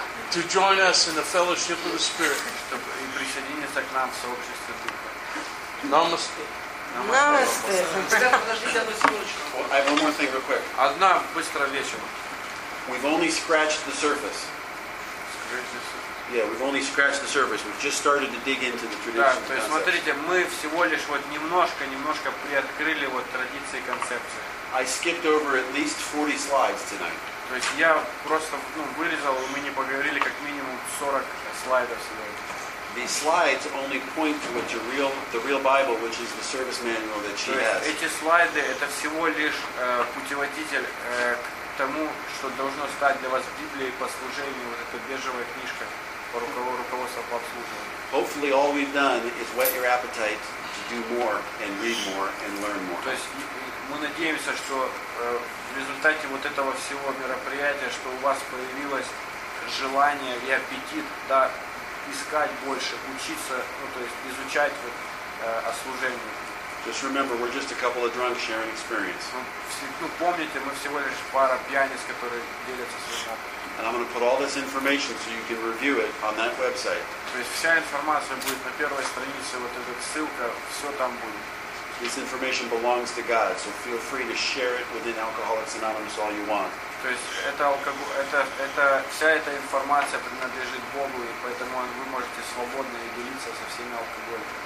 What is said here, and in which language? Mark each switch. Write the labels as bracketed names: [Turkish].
[English] To join us in the fellowship of the Spirit. [Russian] Чтобы присоединиться к нам в сообществе Духа. Намасте. [English] Well, I have one more thing real quick. [Russian] Одна быстрая вещь. [English] We've only scratched the surface. Yeah, we've only scratched the surface. We've just started to dig into the traditions. [Russian] Да, то есть смотрите, мы всего лишь вот немножко приоткрыли вот традиции концепции. [English] I skipped over at least 40 slides tonight. [Russian] То есть я просто вырезал, и мы не поговорили как минимум 40 слайдов сегодня. [English] These slides only point to what the real Bible, which is the service manual that she has. [Russian] Эти слайды это всего лишь путеводитель к тому, что должно стать для вас Библией по служению, вот эта бежевая книжка по руководству по обслуживанию. [English] Hopefully all we've done is whet your appetite to do more and read more and learn more. [Russian] То есть мы надеемся, что в результате вот этого всего мероприятия, что у вас появилось желание и аппетит, да, искать больше, учиться, то есть изучать о служении. [English] Just remember, we're just a couple of drunks sharing experience. [Russian] Помните, мы всего лишь пара пьяниц, которые делятся своим опытом. [English] And I'm going to put all this information so you can review it on that website. [Russian] То есть вся информация будет на первой странице, вот эта ссылка, все там будет. [English] This information belongs to God, so feel free to share it within Alcoholics Anonymous all you want. [Russian] То есть это вся эта информация принадлежит Богу, и поэтому вы можете свободно делиться со всеми алкоголиками.